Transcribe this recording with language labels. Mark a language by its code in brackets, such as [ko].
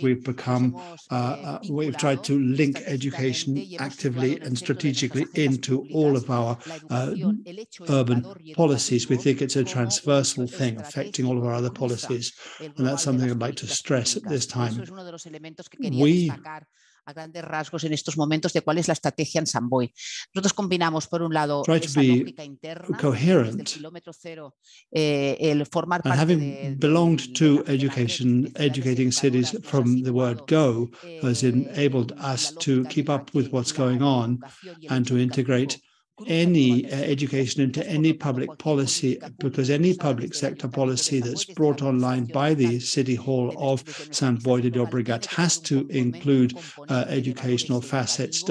[en] We've become, we've tried to link education actively and strategically into all of our urban policies. We think it's a transversal thing affecting all of our other policies, and that's something I'd like to stress at this time. [es] We a grandes rasgos en estos momentos de cuál es la estrategia en Sant Boi. Nosotros combinamos por un lado esa lógica interna desde el kilómetro cero, el formar parte [en] de having belonged to education, educating cities from the word go has enabled us to keep up with what's going on and to integrate any education into any public policy, because any public sector policy that's brought online by the City Hall of Sant Boi de Llobregat has to include educational facets.